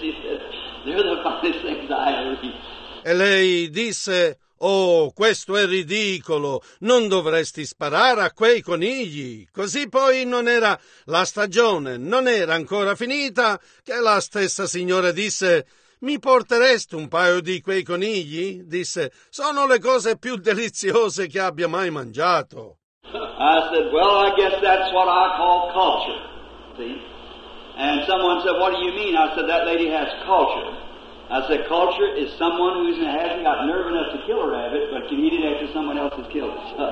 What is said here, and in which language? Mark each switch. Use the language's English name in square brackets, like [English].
[English] She said, they're the finest things I ever eat. [Italian] E lei disse, oh, questo è ridicolo, non dovresti sparare a quei conigli. Così poi non era la stagione, non era ancora finita, che la stessa signora disse, mi porteresti un paio di quei conigli? Disse, sono le cose più deliziose che abbia mai mangiato. [English] I said, well, I guess that's what I call culture, see? And someone said, what do you mean? I said, that lady has culture. I said, culture is someone who hasn't got nerve enough to kill a rabbit, but can eat it after someone else has killed it.